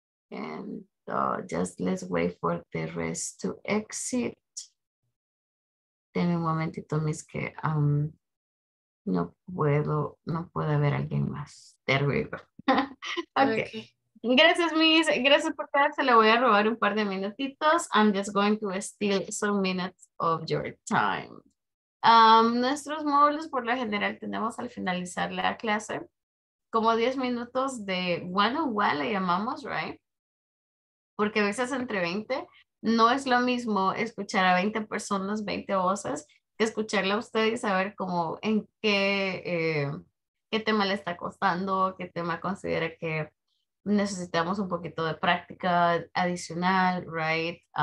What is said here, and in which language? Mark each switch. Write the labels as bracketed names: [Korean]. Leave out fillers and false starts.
[English] And just let's wait for the rest to exit. [Spanish] Denme un momentito, mis que no puedo ver a alguien más. Terrible. Okay. Gracias, Miss. Gracias por quedarse. Le voy a robar un par de minutitos. [English] I'm just going to steal some minutes of your time. [Spanish] Nuestros módulos, por lo general, tenemos al finalizar la clase como 10 minutos de one-on-one, le llamamos, right? Porque a veces entre 20, no es lo mismo escuchar a 20 personas, 20 voces, que escucharla a usted y saber cómo, en qué, qué tema le está costando, qué tema considera que necesitamos un poquito de práctica adicional, right?